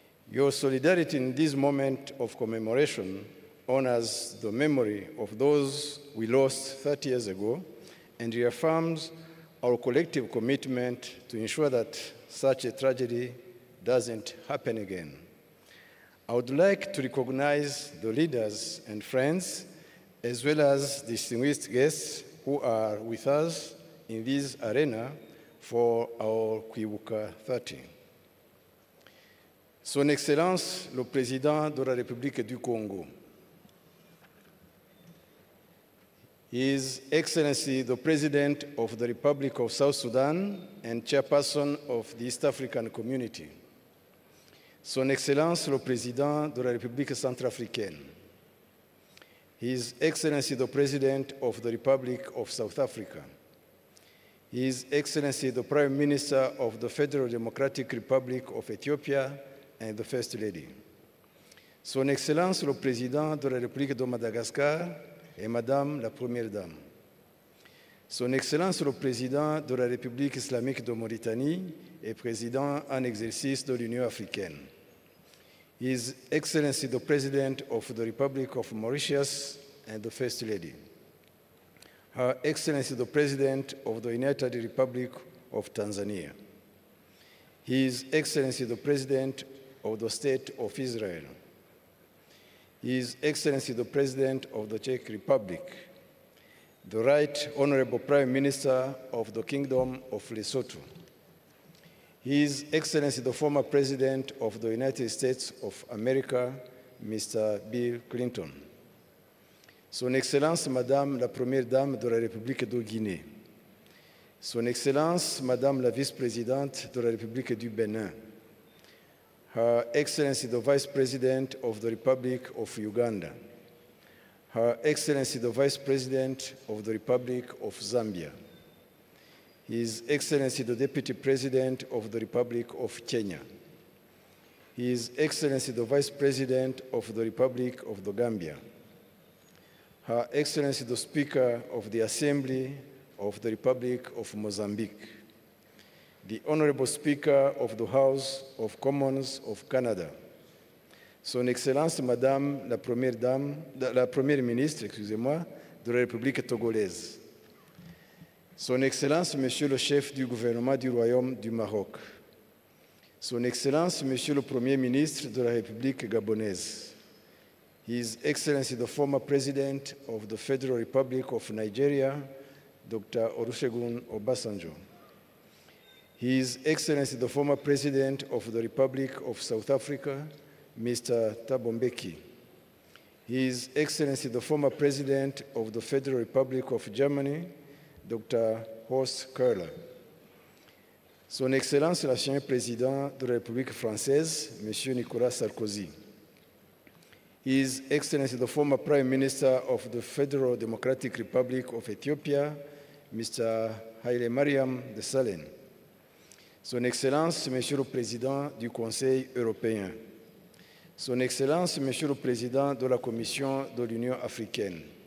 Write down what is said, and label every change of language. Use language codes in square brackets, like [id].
[en] Your solidarity in this moment of commemoration honors the memory of those we lost 30 years ago and reaffirms our collective commitment to ensure that such a tragedy doesn't happen again. I would like to recognize the leaders and friends as well as distinguished guests who are with us in this arena for our Kwibuka 30. [fr] Son Excellence, le Président de la République du Congo. [en] His Excellency, the President of the Republic of South Sudan and Chairperson of the East African Community. [fr] Son Excellence, le Président de la République Centrafricaine. [en] His Excellency the President of the Republic of South Africa, His Excellency the Prime Minister of the Federal Democratic Republic of Ethiopia, and the First Lady. [fr] Son Excellence le Président de la République de Madagascar et Madame la Première Dame. Son Excellence le Président de la République Islamique de Mauritanie et Président en exercice de l'Union africaine. [en] His Excellency the President of the Republic of Mauritius and the First Lady. Her Excellency the President of the United Republic of Tanzania. His Excellency the President of the State of Israel. His Excellency the President of the Czech Republic. The Right Honorable Prime Minister of the Kingdom of Lesotho. His Excellency the former President of the United States of America, Mr. Bill Clinton. [fr] Son Excellence Madame la Première Dame de la République de Guinée. Son Excellence Madame la Vice-Présidente de la République du Bénin. [en] Her Excellency the Vice-President of the Republic of Uganda. Her Excellency the Vice-President of the Republic of Zambia. His Excellency the Deputy President of the Republic of Kenya. His Excellency the Vice President of the Republic of the Gambia. Her Excellency the Speaker of the Assembly of the Republic of Mozambique. The Honorable Speaker of the House of Commons of Canada. [fr] Son Excellence Madame la Première Dame, la Première Ministre, excusez-moi, de la République Togolaise. Son Excellence, Monsieur le Chef du gouvernement du Royaume du Maroc. Son Excellence, Monsieur le Premier ministre de la République gabonaise. [en] His Excellency, the former President of the Federal Republic of Nigeria, Dr. Olusegun Obasanjo. His Excellency the former President of the Republic of South Africa, Mr. Thabo Mbeki. His Excellency the former President of the Federal Republic of Germany, Dr. Horst Köhler. [fr] Son Excellence l'ancien Président de la République Française, Monsieur Nicolas Sarkozy. [en] His Excellency the former Prime Minister of the Federal Democratic Republic of Ethiopia, Mr. Haile Mariam de Salen. [fr] Son Excellence, Monsieur le Président du Conseil européen. Son Excellence, Monsieur le Président de la Commission de l'Union africaine.